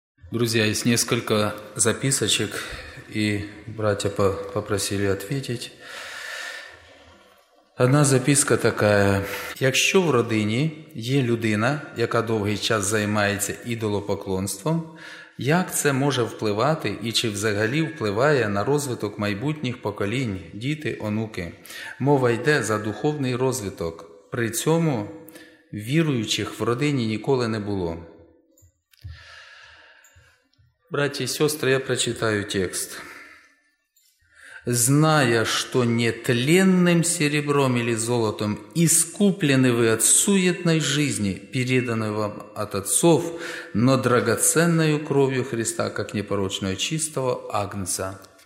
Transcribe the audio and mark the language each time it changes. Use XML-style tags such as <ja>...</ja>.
<ru>Друзья, есть несколько записочек, и братья попросили ответить. Одна записка такая.</ru> <uk>«Якщо в родині є людина, яка довгий час займається ідолопоклонством, як це може впливати і чи взагалі впливає на розвиток майбутніх поколінь, діти, онуки? Мова йде за духовний розвиток. При цьому віруючих в родині ніколи не було».</uk> <ru>Братья и сестры, я прочитаю текст. «Зная, что не тленным серебром или золотом искуплены вы от суетной жизни, переданной вам от отцов, но драгоценной кровью Христа, как непорочного чистого агнца».</ru>